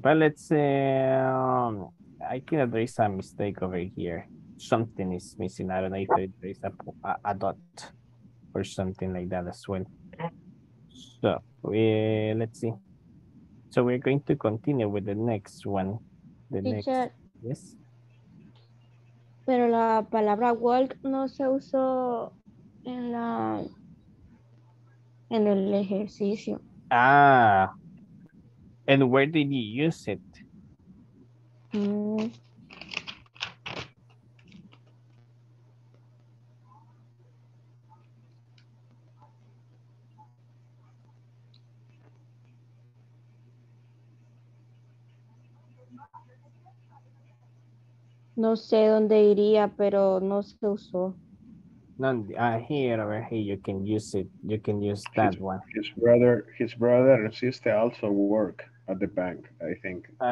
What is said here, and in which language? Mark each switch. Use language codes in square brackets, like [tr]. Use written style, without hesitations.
[en] I think that there is a mistake over here. Something is missing. I don't know if there is a dot or something like that as well. So let's see. So we're going to continue with the next one. The teacher, next. Yes. [es] Pero la palabra walk no se usó en la en el ejercicio. [en] Ah. And where did you use it? [es] No sé dónde iría, pero no se usó. [en] No, here, over here, you can use it. You can use that his, one. His brother and sister also work at the bank, I think.